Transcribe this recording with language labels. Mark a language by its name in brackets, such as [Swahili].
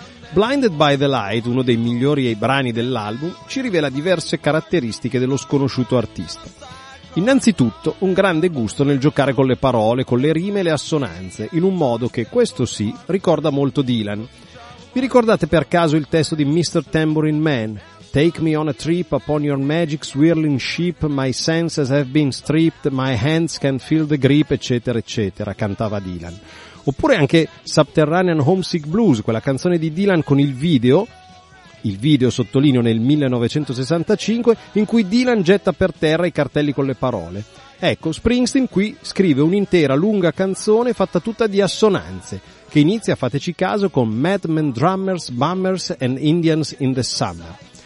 [Italian] Blinded by the Light, uno dei migliori brani dell'album, ci rivela diverse caratteristiche dello sconosciuto artista. Innanzitutto, un grande gusto nel giocare con le parole, con le rime e le assonanze, in un modo che, questo sì, ricorda molto Dylan. Vi ricordate per caso il testo di Mr. Tambourine Man? [English] Take me on a trip upon your magic swirling ship, my senses have been stripped, my hands can't feel the grip, [Italian] eccetera, eccetera, cantava Dylan. Oppure anche Subterranean Homesick Blues, quella canzone di Dylan con il video sottolineo nel 1965, in cui Dylan getta per terra i cartelli con le parole. Ecco, Springsteen qui scrive un'intera lunga canzone fatta tutta di assonanze, che inizia, fateci caso, con [English] Madmen, Drummers, Bummers and Indians in the Summer.